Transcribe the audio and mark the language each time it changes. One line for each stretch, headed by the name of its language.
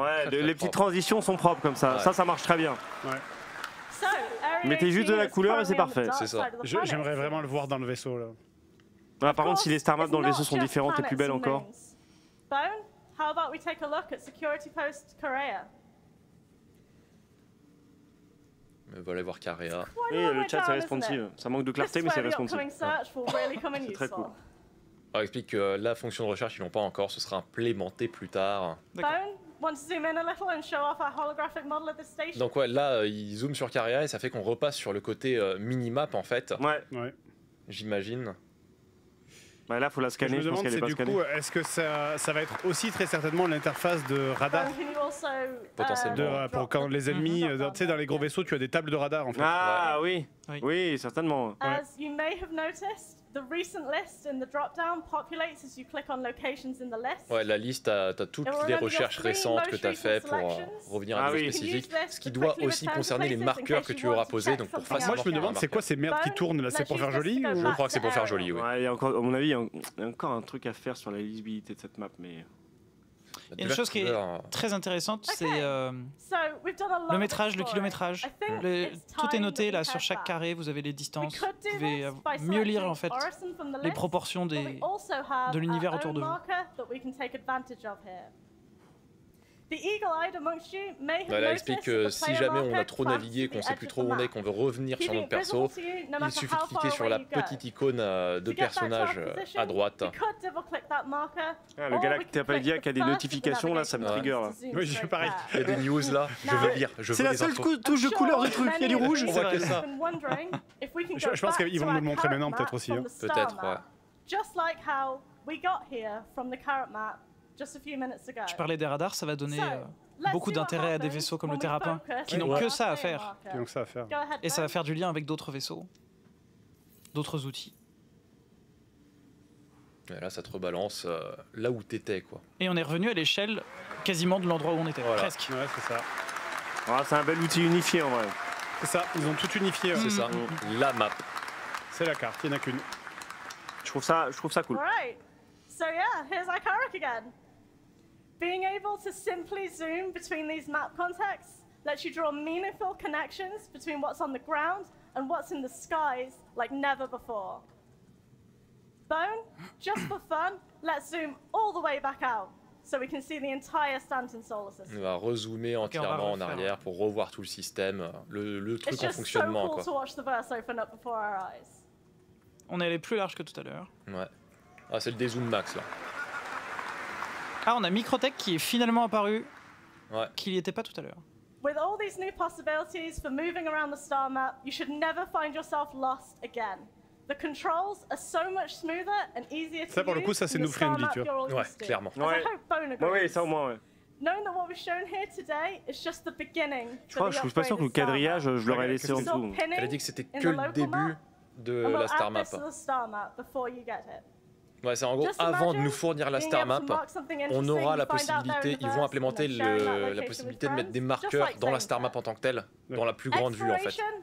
French: Ouais, les petites transitions sont propres comme ça. Ouais. Ça marche très bien. Ouais. Mettez juste de la couleur et c'est parfait. C'est ça. J'aimerais vraiment le voir dans le vaisseau là. Ah, par contre, si les star maps dans le vaisseau sont différentes et plus belles encore.
English: Bone, how about we take a look at Security Post Korea?
French: On va aller voir Korea. Oui, le chat c'est responsive. Ça manque de clarté, mais c'est responsive. C'est très cool. On explique que la fonction de recherche, ils l'ont pas encore, ce sera implémenté plus tard.
English: Bone, want to zoom in a little and show off our holographic model of the station?
French: Donc ouais, là, ils zooment sur Korea et ça fait qu'on repasse sur le côté minimap en fait. Ouais. Ouais. J'imagine. Bah là, faut la scanner. Je me demande, c'est du coup, est-ce que ça va être aussi très certainement l'interface de radar potentiellement de, pour quand les ennemis, tu sais, dans les gros vaisseaux, tu as des tables de radar en fait. Ah ouais. Oui. Oui, certainement.
English: As you may have noticed, the recent list in the drop-down populates as you click on locations in the list.
French: Ouais, la liste, t'as toutes les recherches récentes que t'as fait pour revenir à des spécifiques. Ce qui doit aussi concerner les marqueurs que tu auras posés. Donc pour moi, je me demande, c'est quoi ces merdes qui tournent là? C'est pour faire joli? Je crois que c'est pour faire joli, oui. Ouais, encore, à mon avis, il y a encore un truc à faire sur la lisibilité de cette map, mais... Il y a une chose qui est très intéressante, c'est le métrage, le kilométrage. Tout est noté là sur chaque carré, vous avez les distances. Vous pouvez mieux lire en fait les proportions de l'univers autour de vous. Bah là, explique que si jamais on a trop navigué, qu'on sait plus trop où on est, qu'on veut revenir sur notre perso, il suffit de cliquer sur la petite icône de personnage à droite. Ah, le Galactapédia qui a des notifications là, ça me trigger. Là. Oui, je fais pareil. Il y a des news là, je veux lire. Je c'est veux la seule touche de couleur du truc, il y a du rouge, on voit que ça. Je pense qu'ils vont nous le montrer maintenant, peut-être aussi. Hein. Peut-être, ouais.
English: Just like how we got here from the current map. Just a few minutes ago.
French: Je parlais des radars, ça va donner beaucoup d'intérêt à des vaisseaux comme le Terrapin, qui n'ont que ça à faire. Et ça va faire du lien avec d'autres vaisseaux, d'autres outils. Et là, ça te rebalance là où t'étais, quoi. Et on est revenu à l'échelle quasiment de l'endroit où on était, voilà. Presque. Ouais, c'est ça. Oh, c'est un bel outil unifié, en vrai. C'est ça, ils ont tout unifié. C'est ça, la map. C'est la carte, il n'y en a qu'une. Je trouve ça cool.
English: So yeah, here's Icaric again. Being able to simply zoom between these map contexts lets you draw meaningful connections between what's on the ground and what's in the skies like never before. Bone, just for fun, let's zoom all the way back out so we can see the entire Stanton solar system.
French: On va rezoomer entièrement en arrière pour revoir tout le système, le truc en fonctionnement.
English: It's just so cool,
French: quoi,
English: to watch the verse open up before our eyes.
French: On est allé plus large que tout à l'heure. Ouais. Ah, c'est le dézoom max là. Ah, on a Microtech qui est finalement apparu. Ouais. Qui n'y était pas tout à l'heure.
English: With all these new possibilities for moving around the star map, you should never find yourself lost again. The controls are so much smoother and easier to use.
French: Ça, pour le coup, ça c'est nous friendly, tu vois. Ouais, clairement. Ouais, ça au moins, ouais.
English: Knowing that what we've shown here today is just the beginning.
French: Je suis pas sûr que le quadrillage, je l'aurais laissé en dessous. Elle a dit que c'était que le début de la star map.
English: The star map before you get it.
French: Ouais, c'est en gros, avant de nous fournir la star map, on aura la possibilité, ils vont implémenter la possibilité de mettre des marqueurs dans la star map en tant que telle, dans la plus grande vue en fait.